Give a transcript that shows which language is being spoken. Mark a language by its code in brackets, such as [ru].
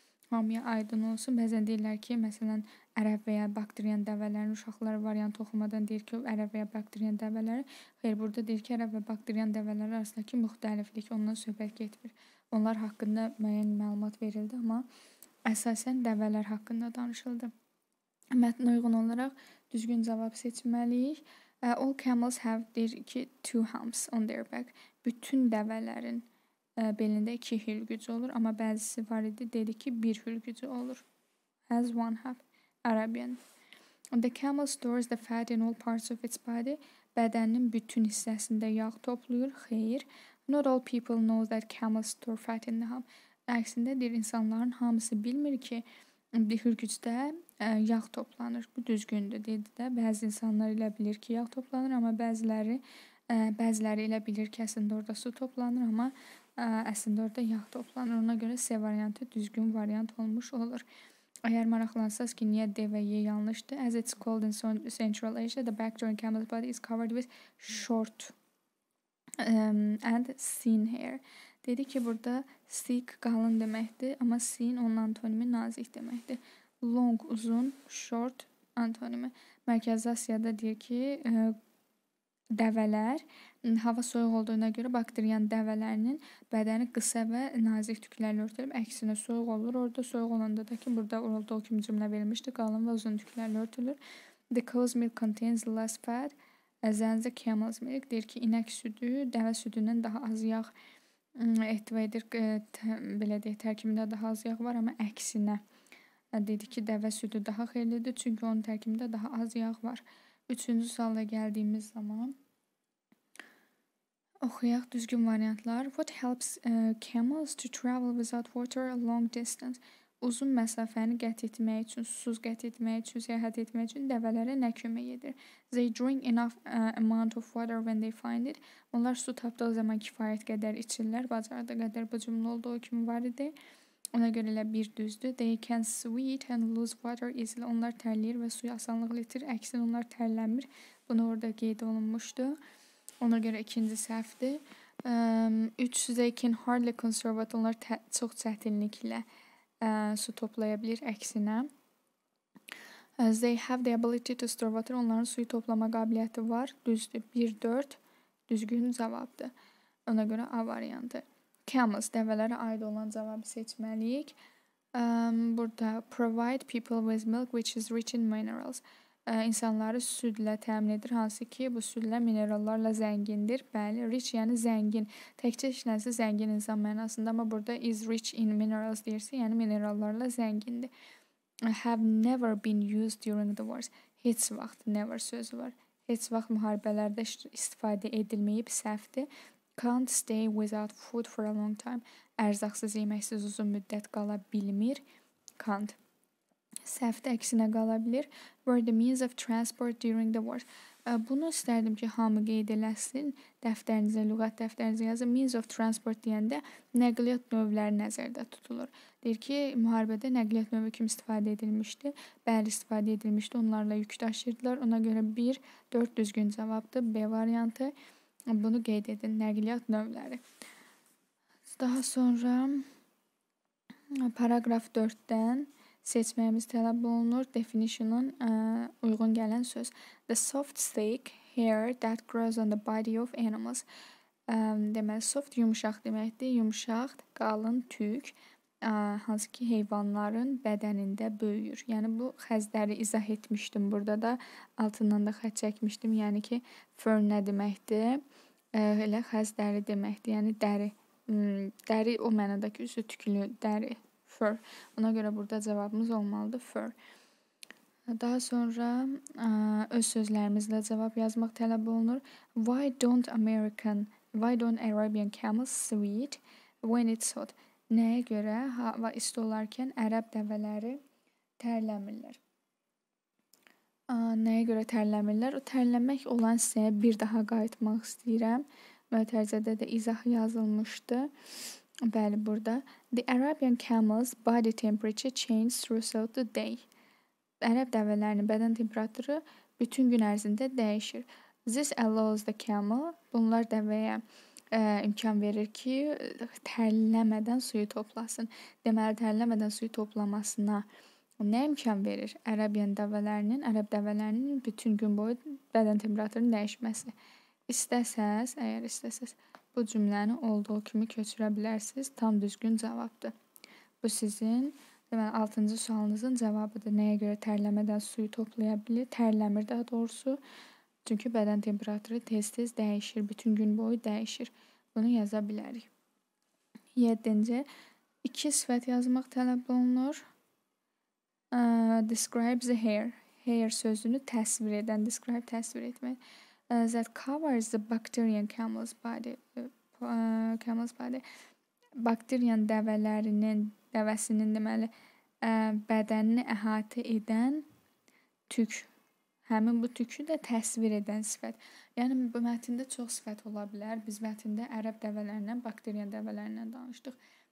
[az] Hamıya aydın olsun. Bəzən deyirlər ki, məsələn, ərəb və ya bakteriyan dəvələrin uşaqları variant oxumadan deyir ki, ərəb və ya bakteriyan dəvələri. Xeyr, burada deyir ki, ərəb və bakteriyan dəvələri arasındakı müxtəliflik ondan söhbət getmir. Onlar haqqında müəyyən məlumat verildi, amma əsasən dəvələr haqqında danışıldı. Mətnə uyğun olaraq düzgün cavab seçməliyik. [en] All camels have, deyir ki, two humps on their back. [az] Bütün dəvələrin belində iki hülgücü olur, amma bəzisi var idi, dedi ki, bir hülgücü olur. [en] Has one half, Arabian. The camel stores the fat in all parts of its body. [az] Bədəninin bütün hissəsində yağ toplayır, xeyir. [en] Not all people know that camels store fat in the hump. [az] Əksində, deyir, insanların hamısı bilmir ki, bir hülgücdə yağ toplanır. Bu düzgündür, dedi də. Bəzi insanlar elə bilir ki, yağ toplanır, amma bəziləri elə bilir ki, əslində orada su toplanır, amma əslində orada yağ toplanır. Ona görə C variantı düzgün variant olmuş olur. Əgər maraqlansanız ki, niyə D və Y yanlışdır? [en] As it's called in Central Asia, the back joint camel's body is covered with short and thin hair. [az] Dedi ki, burada thick qalın deməkdir, amma thin onun antonimi nazik deməkdir. Long uzun, short antonimi. Mərkəzi Asiyada deyir ki, dəvələr hava soyuq olduğuna görə bakteriyan dəvələrinin bədəni qısa və nazik tüklərlə örtülüb, əksinə soyuq olur. Orada soyuq olanda da ki, burada olduğu kimi cümlə verilmişdi, qalın və uzun tüklərlə örtülür. [en] The cow's milk contains less fat than the camel's milk. [az] Deyir ki, inək südü dəvə südündən daha az yağ ehtiva edir, belə deyək, tərkibində daha az yağ var, amma əksinə dedi ki, dəvə südü daha xeyirlidir, çünki onun tərkibində daha az yağ var. Üçüncü suala gəldiyimiz zaman oxuyaq düzgün variantlar. [en] What helps camels to travel without water a long distance? [az] Uzun məsafəni qət etmək üçün, susuz qət etmək üçün, səyahət etmək üçün dəvələrə nə kömək edir? [en] They drink enough amount of water when they find it. [az] Onlar su tapdığı zaman kifayət qədər içirlər, bacardığı qədər bu cümlə olduğu kimi var idi. Ona görə elə bir düzdür. [en] They can sweat and lose water easily. [az] Onlar tərləyir və suyu asanlıqla itir. Əksin, onlar tərlənmir. Bunu orada qeyd olunmuşdu. Ona görə ikinci səhvdir. [en] Üçsüz, they can hardly conserve it. [az] Onlar çox çətinliklə su toplaya bilir. [en] Əksinə, as they have the ability to store water. [az] Onların suyu toplama qabiliyyəti var. Düzdür. 1-4 düzgün cavabdır. Ona görə A variantı. Camels, dəvələrə aid olan cavabı seçməliyik. [en] Burada provide people with milk which is rich in minerals. [az] İnsanları südlə təmin edir, hansı ki bu südlə minerallarla zəngindir. Bəli, rich yəni zəngin. Təkcə işləsi zəngin insan mənasında, amma burada is rich in minerals deyirsə, yəni minerallarla zəngindir. [en] Have never been used during the wars. [az] Heç vaxt, never sözü var. Heç vaxt müharibələrdə istifadə edilməyib, səhvdir. [en] Can't stay without food for a long time. [az] Ərzaqsız, yeməksiz uzun müddət qala bilmir. Can't. Səhvdə əksinə qala bilir. [en] Were the means of transport during the war. [az] Bunu istərdim ki, hamı qeyd eləsin. Dəftərinizə, lüğət dəftərinizə yazın. Means of transport deyəndə nəqliyyat növləri nəzərdə tutulur. Deyir ki, müharibədə nəqliyyat növü kimi istifadə edilmişdi. Bəli, istifadə edilmişdi. Onlarla yük daşıyırdılar. Ona görə 1-4 düzgün cavabdır. B variantı. Bunu qeyd edin, nəqliyyat növləri. Daha sonra paraqraf 4-dən seçməyimiz tələb olunur. Definitionun uyğun gələn söz. [en] The soft, thick hair that grows on the body of animals. [az] Deməli, soft yumuşaq deməkdir. Yumuşaq, qalın, tük, hansı ki heyvanların bədənində böyüyür. Yəni, bu xəzləri izah etmişdim. Burada da altından da xət çəkmişdim. Yəni ki, fur nə deməkdir? Öyle xəz dəri deməkdir, yəni dəri. Dəri o mənadakı üzü tükülü dəri, fur. Ona görə burada cavabımız olmalıdır, fur. Daha sonra öz sözlərimizlə cavab yazmaq tələb olunur. [en] Why don't Arabian camels sweat when it's hot? [az] Nəyə görə hava isti olarkən Ərəb dəvələri tərləmirlər? Nəyə görə tərləmirlər? O tərləmək olan hissəyə bir daha qayıtmaq istəyirəm. Mötərizədə də izah yazılmışdı. Bəli, burada. [en] The Arabian camel's body temperature changes throughout the day. [az] Ərəb dəvələrinin bədən temperaturu bütün gün ərzində dəyişir. This allows the camel. Bunlar dəvəyə imkan verir ki, tərləmədən suyu toplasın. Deməli, tərləmədən suyu toplamasına nə imkan verir? Ərəb dəvələrinin bütün gün boyu bədən temperaturunun dəyişməsi. İstəsəz, əgər istəsəz, bu cümləni olduğu kimi köçürə bilərsiniz. Tam düzgün cavabdır. Bu sizin, deməli, 6-cı sualınızın cavabıdır. Nəyə görə tərləmədən suyu toplaya bilir? Tərləmir daha doğrusu. Çünki bədən temperaturu tez-tez dəyişir, bütün gün boyu dəyişir. Bunu yaza bilərik. 7-ci, iki sifət yazmaq tələb olunur. Describes the hair. Hair sözünü təsvir edən, describe, təsvir etmək. [en] That covers the bacterian camel's body. Camel's body. [az] Bakteriyan dəvələrinin, dəvəsinin deməli, bədənini əhatə edən tük. Həmin bu tükü də təsvir edən sifət. Yəni, bu mətində çox sifət ola bilər. Biz mətində Ərəb dəvələrindən, bakteriyan dəvələrindən danışdıq.